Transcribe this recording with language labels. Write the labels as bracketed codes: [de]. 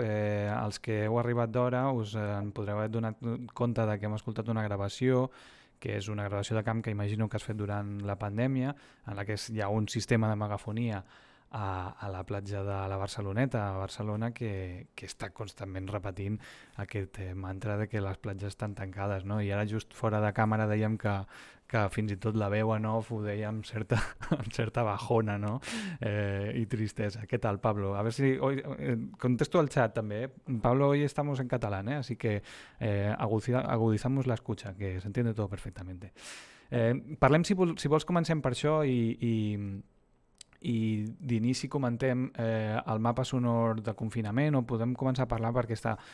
[ca] Els que heu arribat d'hora us en podreu haver donat compte de que hem escoltat una gravació, que és una gravació de camp que imagino que has fet durant la pandèmia, en la que hi ha un sistema de megafonia a la platja de la Barceloneta, a Barcelona, que està constantment repetint aquest mantra de que les platges estan tancades, no? I ara just fora de càmera dèiem que fins i tot la veu en off ho deia amb certa bajona, no? I tristesa. Què tal, Pablo? A veure si... [es] Hoy, [ca] contesto al chat també. [es] Pablo, hoy estamos en catalán, así que agudizamos la escucha, que se entiende todo perfectamente. [ca] Parlem, si vols, comencem per això i d'inici comentem el mapa sonor de confinament, o podem començar a parlar perquè està...